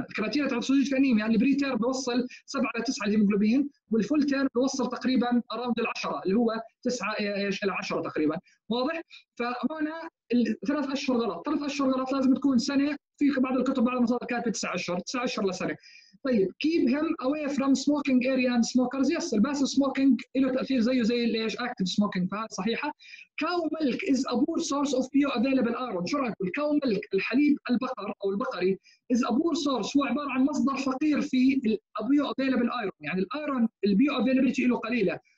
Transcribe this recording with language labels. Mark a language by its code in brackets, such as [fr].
[ar] الكراتيريا تاعت الفيزيولوجيكال أنيميا اللي بريتير بوصل 7-9 الهيموغلوبين، والفولتير بوصل تقريبا أراوند 10 اللي هو 9-10 تقريبا. واضح؟ فهنا الثلاث أشهر غلط، 3 أشهر غلط، لازم تكون سنة. في بعض الكتب بعض المصادر كاتبة 9 أشهر لسنة. طيب [en] keep him away from smoking area and smokers. yes [ar] الباسيف سموكينج له تأثير زيه زي الايش اكتيف سموكينج، صحيحه. [en] cow milk is a poor source of bioavailable iron. [ar] شو رايك الكاو ميلك الحليب البقر او البقري [en] is a poor source، [ar] هو عباره عن مصدر فقير في [en] bioavailable iron، [ar] يعني الايرون البيوافيلابيلتي له قليله.